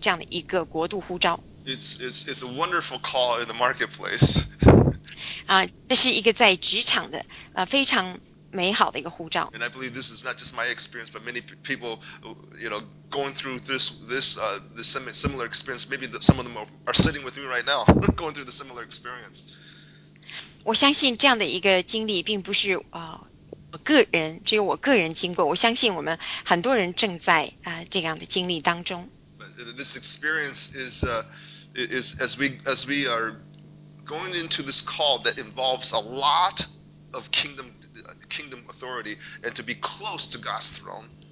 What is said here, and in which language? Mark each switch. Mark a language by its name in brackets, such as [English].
[Chinese] 至少在我个人所走过的这个旅程当中，我一直在竭力的追求15,000这样的一个国度呼召。 [English] It's a wonderful call in the marketplace. [Chinese] 这是一个在职场的非常。美好的一个护照。 [English] And I believe this is not just my experience, but many people, going through this similar experience. Maybe some of them are sitting with me right now, going through the similar experience. [Chinese] 我相信这样的一个经历并不是我个人，只有我个人经过。我相信我们很多人正在这样的经历当中。 [English] But this experience is as we are going into this call that involves a lot of kingdom authority and to be close to God's throne.